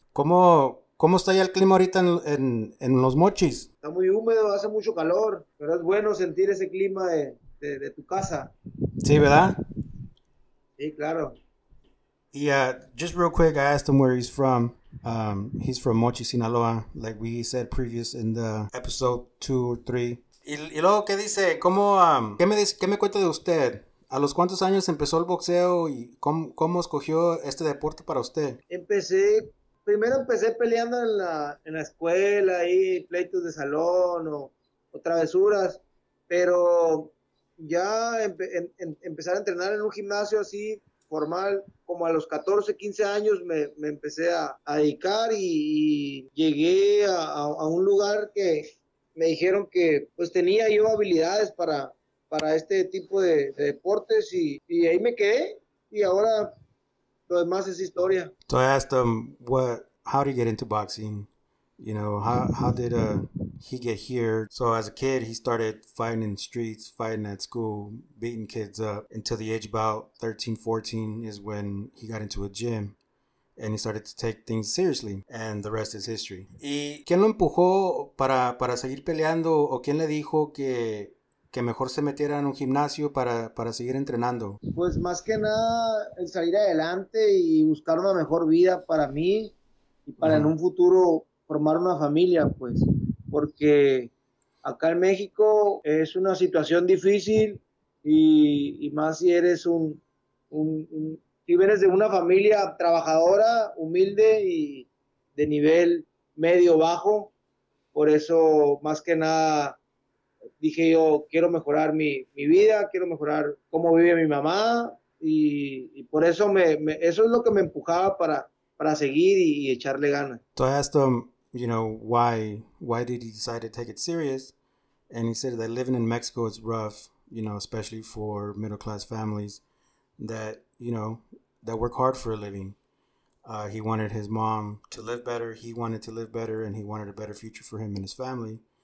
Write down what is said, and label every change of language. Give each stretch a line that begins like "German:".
Spanish: ¿Cómo está ya el clima ahorita en Los Mochis? Está muy húmedo, hace mucho calor, pero es bueno sentir ese clima de tu casa. Sí, ¿verdad? Sí, claro.
English: Just real quick, I asked him where he's from. He's from Mochis, Sinaloa, like we said previous in the episode 2 or 3.
Spanish: Y luego, ¿qué dice? ¿Cómo, qué me cuenta de usted? ¿A los cuántos años empezó el boxeo y cómo escogió este deporte para usted? Primero empecé peleando en la escuela, ahí, pleitos de salón o travesuras, pero ya empezar a entrenar en un gimnasio así, formal, como a los 14, 15 años me empecé a dedicar y llegué a un lugar que me dijeron que pues tenía yo habilidades para este tipo de deportes y ahí me quedé y ahora lo demás es historia.
English: So I asked him, how did he get into boxing? You know, how did he get here? So as a kid, he started fighting in the streets, fighting at school, beating kids up until the age about 13, 14 is when he got into a gym and he started to take things seriously. And the rest is history.
Spanish: ¿Y quién lo empujó para seguir peleando o quién le dijo que mejor se metiera en un gimnasio para seguir entrenando? Pues más que nada el salir adelante y buscar una mejor vida para mí y para en un futuro formar una familia, pues, porque acá en México es una situación difícil y más si eres un si vienes de una familia trabajadora, humilde y de nivel medio-bajo, por eso más que nada dije yo, quiero mejorar mi vida, quiero mejorar cómo vive mi mamá y por eso eso es lo que me empujaba para seguir y echarle ganas.
English: So I asked him, you know, why did he decide to take it serious? And he said that living in Mexico is rough, you know, especially for middle class families that, you know, that work hard for a living. He wanted his mom to live better. He wanted to live better and he wanted a better future for him and his family.